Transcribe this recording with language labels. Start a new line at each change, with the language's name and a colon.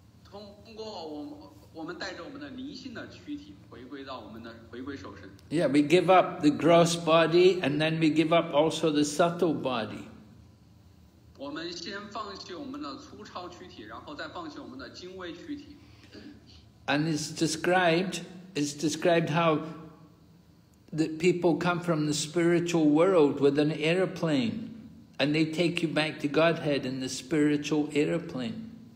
Chinese: 通过我们带着我们的灵性的躯体回归到我们的回归守神。
English: Yeah, we give up the gross body and then we give up also the subtle body.
Chinese: 我们先放弃我们的粗糙躯体，然后再放弃我们的精微躯体。
English: And it's described how the people come from the spiritual world with an airplane and they take you back to Godhead in the spiritual airplane.